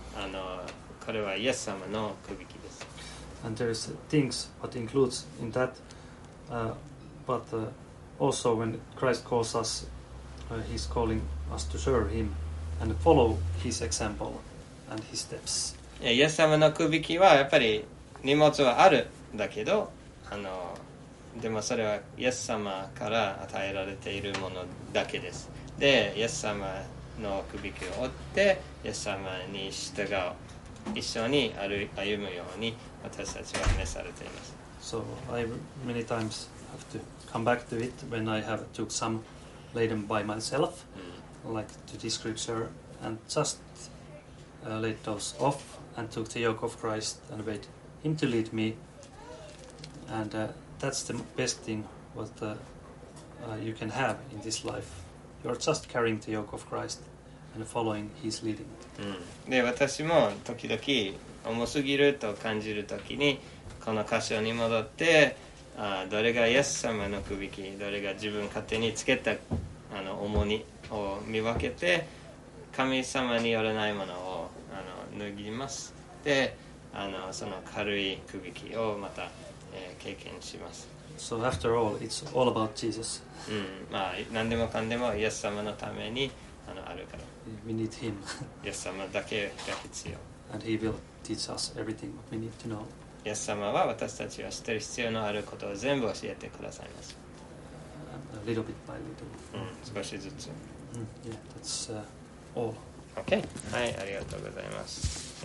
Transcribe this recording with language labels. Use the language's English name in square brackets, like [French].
[Japanese] あのこれはイエス様の首輝きです。 [English] And there is things that includes in that, but also when Christ calls us, he's calling us to serve him and follow his example and his steps. [Japanese] イエス様の首輝きはやっぱり荷物はあるんだけど、あのでもそれはイエス様から与えられているものだけです。で、イエス様の首輝きを追って、イエス様に従う、一緒に歩むように私たちは召されています。 [English] So I many times have to come back to it when I have took some laden by myself, like to this scripture, and just laid those off and took the yoke of Christ and wait him to lead me and That's the best thing what you can have in this life. You're just carrying the yoke of Christ and following His leading. [Japanese] で、私も時々重すぎると感じるときにこの箇所に戻って、どれがイエス様の首輝き、どれが自分勝手につけたあの重荷を見分けて、神様によらないものをあの脱ぎます。で、あのその軽い首輝きをまた。経験します。 [English] So after all, it's all about Jesus. [Japanese] まあ何でもかんでもイエス様のためにあのあるから。 [English] We need him. [Japanese] イエス様だけが必要。 [English] And he will teach us everything we need to know. [Japanese] イエス様は私たちは知ってる必要のあることを全部教えてくださいます。 [English] A little bit by little. [Japanese] 少しずつ。 [English] Yeah, that's all. Okay. [Japanese] はい、ありがとうございます。